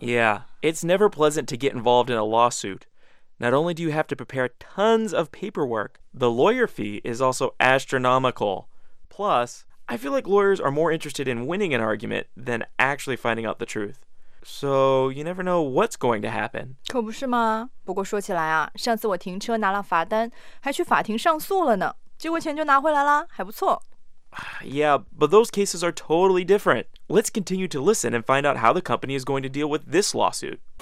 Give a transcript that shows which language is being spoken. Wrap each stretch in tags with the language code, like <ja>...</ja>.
<en>Yeah， it's never pleasant to get involved in a lawsuit. Not only do you have to prepare tons of paperwork, the lawyer fee is also astronomical. Plus, I feel like lawyers are more interested in winning an argument than actually finding out the truth. So, you never know what's going to happen.</en> <zh>可不是吗？不过说起来啊，上次我停车拿了罚单，还去法庭上诉了呢，结果钱就拿回来了，还不错。</zh> <en>Yeah, but those cases are totally different. Let's continue to listen and find out how the company is going to deal with this lawsuit.</en>